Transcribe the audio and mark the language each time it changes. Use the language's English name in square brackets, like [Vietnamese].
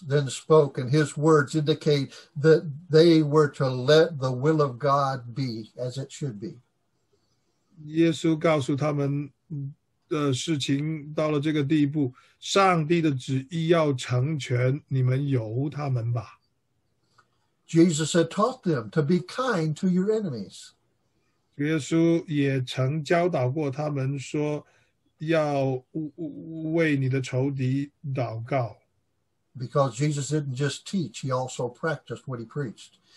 [English] then spoke, and his words indicate that they were to let the will of God be as it should be. [Chinese] 耶稣告诉他们， 事情到了这个地步，上帝的旨意要成全，你们由他们吧。Jesus [English] had taught them to be kind to your enemies. [Chinese] 耶稣也曾教导过他们说，要为你的仇敌祷告。 [English] Because Jesus didn't just teach, he also practiced what he preached.